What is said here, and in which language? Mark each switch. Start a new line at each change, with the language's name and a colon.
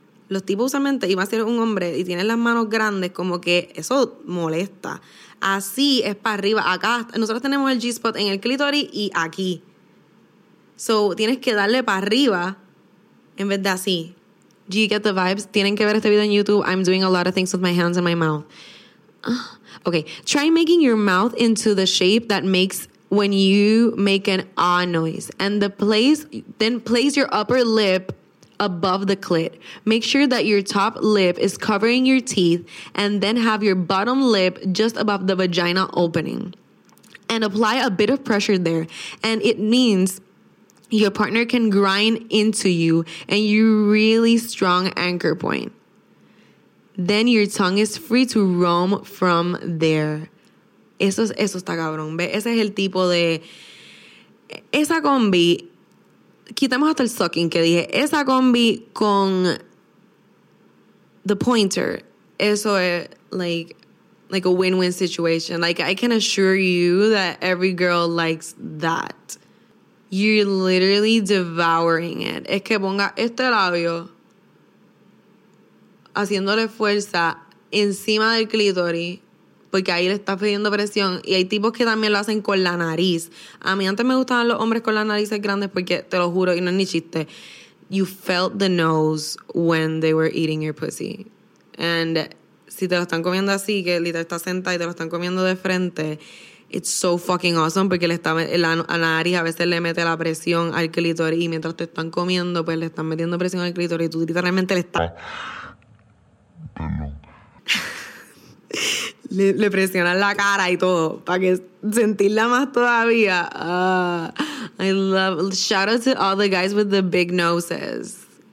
Spanish: Los tipos usualmente, iba a ser un hombre y tiene las manos grandes, como que eso molesta. Así es para arriba. Acá, nosotros tenemos el G-spot en el clítoris y aquí. So, tienes que darle para arriba en vez de así.
English: Do you get the vibes?
Spanish: Tienen que ver este video en YouTube.
English: I'm doing a lot of things with my hands and my mouth. Okay, try making your mouth into the shape that makes... when you make an ah noise. And the place... then place your upper lip... above the clit. Make sure that your top lip is covering your teeth and then have your bottom lip just above the vagina opening. And apply a bit of pressure there. And it means your partner can grind into you and you really strong anchor point. Then your tongue is free to roam from there.
Spanish: Eso está cabrón. ¿Ve? Ese es el tipo de... Esa combi... Quitamos hasta el sucking que dije. Esa combi con the pointer. Eso es
English: like a win-win situation. Like, I can assure you that every girl likes that. You're literally devouring it.
Spanish: Es que ponga este labio haciéndole fuerza encima del clítoris. Porque ahí le está pidiendo presión. Y hay tipos que también lo hacen con la nariz. A mí antes me gustaban los hombres con las narices grandes porque, te lo juro, y no es ni chiste.
English: You felt the nose when they were eating your pussy.
Spanish: And si te lo están comiendo así, que literal está sentada y te lo están comiendo de frente,
English: it's so fucking awesome
Spanish: porque le está, la nariz a veces le mete la presión al clítoris y mientras te están comiendo, pues le están metiendo presión al clítoris y tú literalmente le estás... Le presionan la cara y todo para que sentirla más todavía.
English: I love... Shout out to all the guys with the big noses.